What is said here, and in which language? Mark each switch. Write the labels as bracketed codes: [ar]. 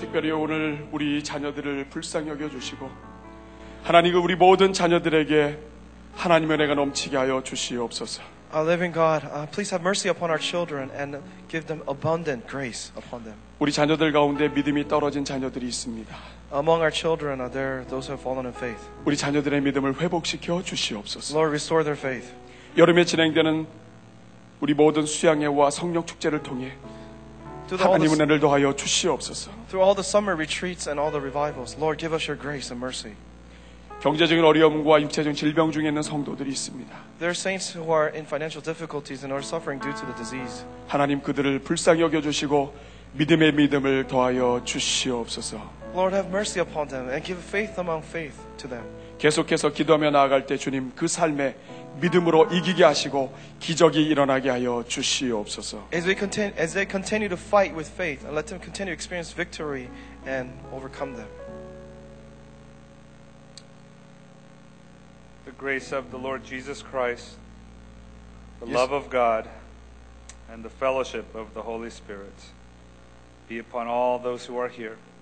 [ko] 자녀들을 불쌍히 여겨주시고 하나님은 우리 모든 자녀들에게 하나님의 은혜가 넘치게 하여 주시옵소서 [en] Living God, please have mercy upon our children and give them abundant grace upon them [ko] 우리 자녀들 가운데 믿음이 떨어진 자녀들이 있습니다 [en] Among our children are there those who have fallen in faith [ko] 우리 자녀들의 믿음을 회복시켜 주시옵소서 [en] Lord, restore their faith [ko] 여름에 진행되는 우리 모든 수양회와 성령 축제를 통해 하나님 은혜를 더하여 주시옵소서. [en] Through all the summer retreats and all the revivals, Lord, give us your grace and mercy. [ko] 경제적인 어려움과 육체적인 질병 중에 있는 성도들이 있습니다. [en] There are saints who are in financial difficulties and are suffering due to the disease. [ko] 하나님 그들을 불쌍히 여겨 주시고 믿음의 믿음을 더하여 주시옵소서. [en] Lord, have mercy upon them and give faith among faith to them. [ko] 계속해서 기도하며 나아갈 때 주님 그 삶에 믿음으로 이기게 하시고 기적이 일어나게 하여 주시옵소서. [en] As they continue to fight with faith, and let them continue to experience victory and overcome them. The grace of the Lord Jesus Christ, the love of God, and the fellowship of the Holy Spirit be upon all those who are here.